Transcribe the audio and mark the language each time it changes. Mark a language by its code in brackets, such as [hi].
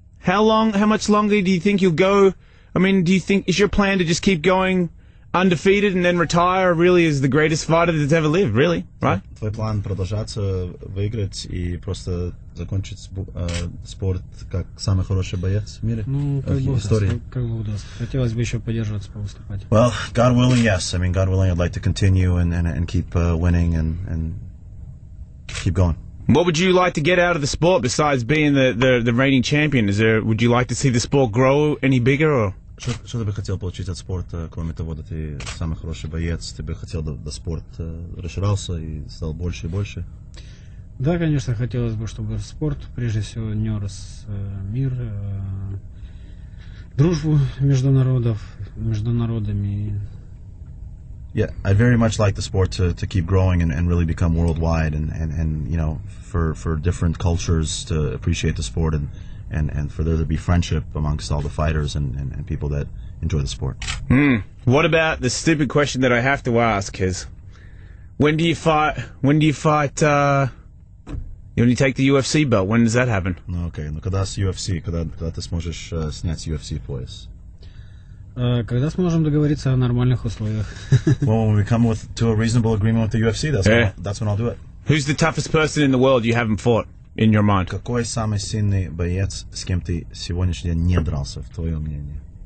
[en] How much longer do you think you'll go? I mean, is your plan to just keep going undefeated and then retire really as the greatest fighter that's ever lived, really, right? [ru] Твой план продолжаться, выиграть и просто закончить спорт как самый хороший боец в мире? Ну, как бы удастся. Хотелось бы еще поддерживаться, повыступать. [en] Well, God willing, yes. I mean, God willing, I'd like to continue and keep winning and keep going. What would you like to get out of the sport besides being the reigning champion? Would you like to see the sport grow any bigger? [ru] Что ты бы хотел получить от спорта, кроме того, что ты самый хороший боец, ты бы хотел, чтобы спорт расширялся и стал больше и больше? Да, конечно, хотелось бы, чтобы спорт, прежде всего, нёс мир, дружбу между народов, между народами. [en] Yeah, I very much like the sport to keep growing and really become worldwide and you know, for different cultures to appreciate the sport and for there to be friendship amongst all the fighters and people that enjoy the sport. Hmm. What about the stupid question that I have to ask is, when do you fight, when you take the UFC belt, when does that happen? [ru] Okay, ну когда с UFC, когда ты сможешь снять UFC пояс? Когда сможем договориться о нормальных условиях? [en] Well, when we come to a reasonable agreement with the UFC, that's when I'll do it. Who's the toughest person in the world you haven't fought in your mind? [ru] Какой самый сильный боец, с кем ты сегодняшний день не дрался, в твоем мнении?